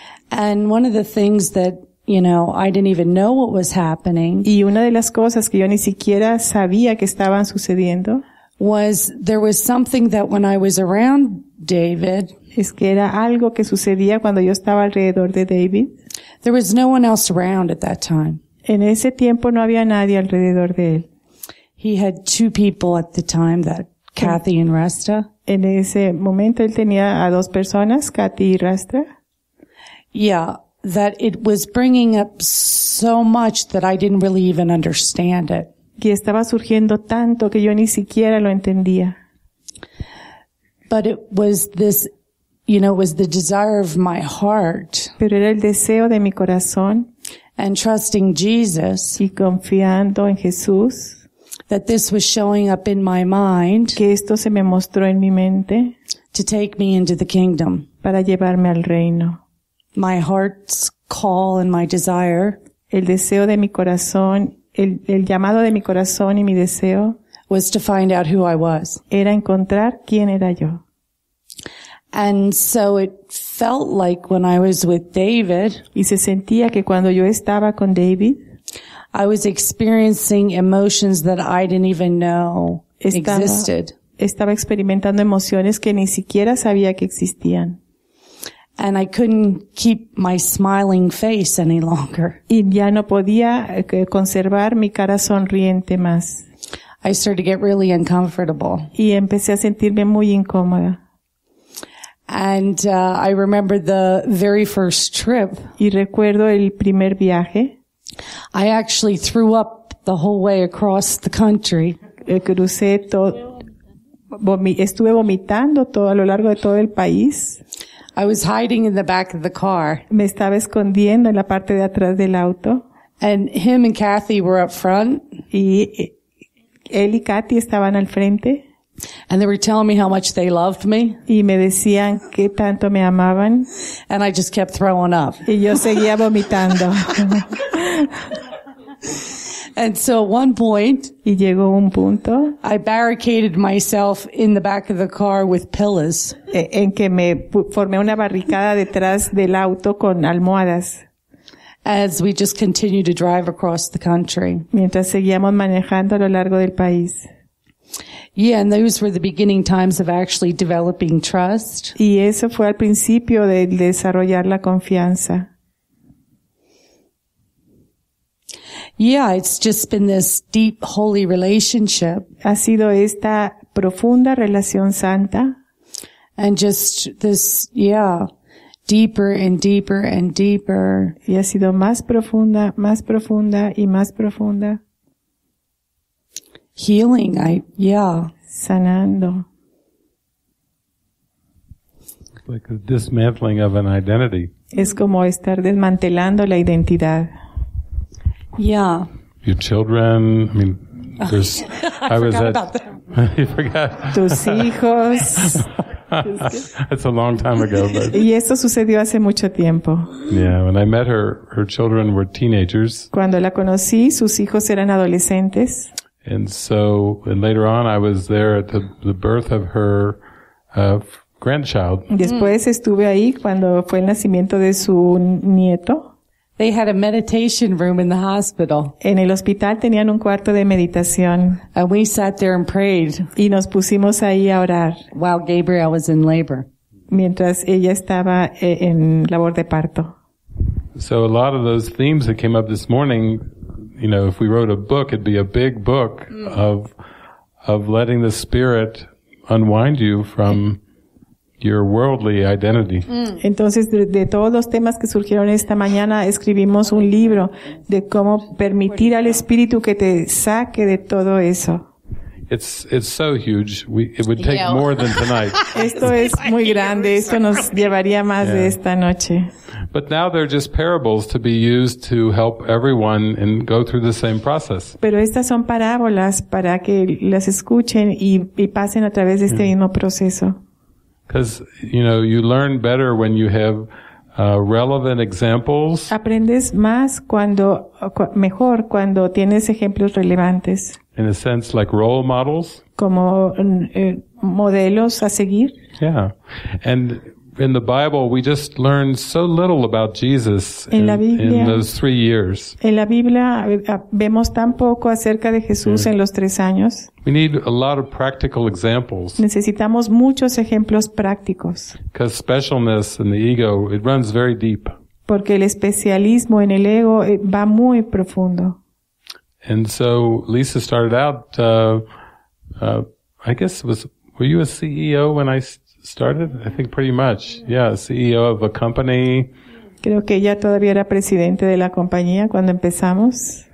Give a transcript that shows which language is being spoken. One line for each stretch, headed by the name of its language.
English: And one of the things that, you know, I didn't even know what was happening.
Spanish: Y una de las cosas que yo ni siquiera sabía que estaban sucediendo.
English: Was there was something that when I was around David.
Spanish: Es que era algo que sucedía cuando yo estaba alrededor de David.
English: There was no one else around at that time.
Spanish: En ese tiempo no había nadie alrededor de él.
English: He had two people at the time, that Kathy and Rasta.
Spanish: En ese momento él tenía a dos personas, Kathy y Rasta.
English: Yeah, that it was bringing up so much that I didn't really even understand it.
Spanish: Que estaba surgiendo tanto que yo ni siquiera lo entendía.
English: But it was this, you know, it was the desire of my heart.
Spanish: Pero era el deseo de mi corazón.
English: And trusting Jesus.
Spanish: Y confiando en Jesús.
English: That this was showing up in my mind.
Spanish: Que esto se me mostró en mi mente.
English: To take me into the kingdom.
Spanish: Para llevarme al reino.
English: My heart's call and my desire.
Spanish: El deseo de mi corazón, el llamado de mi corazón y mi deseo.
English: Was to find out who I was.
Spanish: Era encontrar quién era yo.
English: And so it felt like when I was with David.
Spanish: Y se sentía que cuando yo estaba con David.
English: I was experiencing emotions that I didn't even know existed.
Spanish: Estaba experimentando emociones que ni siquiera sabía que existían.
English: And I couldn't keep my smiling face any longer.
Spanish: Y ya no podía conservar mi cara sonriente más.
English: I started to get really uncomfortable.
Spanish: Y empecé a sentirme muy incómoda.
English: And I remember the very first trip.
Spanish: Y recuerdo el primer viaje.
English: I actually threw up the whole way across the country.
Spanish: Crucé todo, estuve vomitando todo a lo largo de todo el país.
English: I was hiding in the back of the car.
Spanish: Me estaba escondiendo en la parte de atrás del auto.
English: And him and Kathy were up front.
Spanish: Y él y Kathy estaban al frente.
English: And they were telling me how much they loved me.
Spanish: Y me decían qué tanto me amaban.
English: And I just kept throwing up.
Spanish: Y yo seguía vomitando.
English: And so at one point,
Spanish: y llegó un punto,
English: I barricaded myself in the back of the car with pillows.
Spanish: En que me formé una barricada detrás del auto con almohadas.
English: As we just continued to drive across the country.
Spanish: Mientras seguíamos manejando a lo largo del país.
English: Yeah, and those were the beginning times of actually developing trust.
Spanish: Y eso fue al principio de desarrollar la confianza.
English: Yeah, it's just been this deep holy relationship.
Spanish: Ha sido esta profunda relación santa.
English: And just this, yeah, deeper and deeper and deeper.
Spanish: Y ha sido más profunda y más profunda.
English: Healing, yeah.
Spanish: Sanando.
English: Like a dismantling of an identity.
Spanish: Es como estar desmantelando la identidad.
English: Yeah. Your children, I mean, there's, I was at, about them. You forgot.
Spanish: Tus hijos.
English: That's a long time ago, but.
Spanish: Y eso sucedió hace mucho tiempo.
English: Yeah, when I met her, her children were teenagers.
Spanish: Cuando la conocí, sus hijos eran adolescentes.
English: And so, and later on, I was there at the birth of her grandchild.
Spanish: Después estuve ahí cuando fue el nacimiento de su nieto.
English: They had a meditation room in the hospital.
Spanish: En el hospital tenían un cuarto de meditación.
English: And we sat there and prayed.
Spanish: Y nos pusimos ahí a orar.
English: While Gabriel was in labor.
Spanish: Mientras ella estaba en labor de parto.
English: So a lot of those themes that came up this morning, you know, if we wrote a book, it'd be a big book of letting the Spirit unwind you from your worldly identity.
Spanish: Entonces, de todos los temas que surgieron esta mañana, escribimos un libro de cómo permitir al Espíritu que te saque de todo eso.
English: It's so huge. It would take more than tonight.
Spanish: Esto es muy grande. Esto nos llevaría más de esta noche.
English: But now they're just parables to be used to help everyone and go through the same process.
Spanish: Pero estas son parábolas para que las escuchen y pasen a través de este mismo proceso.
English: Because, you know, you learn better when you have relevant examples.
Spanish: Aprendes más mejor cuando tienes ejemplos relevantes.
English: In a sense, like role models.
Spanish: Como modelos a seguir.
English: Yeah. And in the Bible, we just learn so little about Jesus in those 3 years.
Spanish: En la Biblia vemos tan poco acerca de Jesús en los 3 años.
English: We need a lot of practical examples.
Spanish: Necesitamos muchos ejemplos prácticos.
English: Because specialness and the ego, it runs very deep.
Spanish: Porque el especialismo en el ego va muy profundo.
English: And so Lisa started out, I guess, were you a CEO when I started? I think pretty much. Yeah, CEO of a company.
Spanish: Creo que ella todavía era presidente de la compañía cuando empezamos.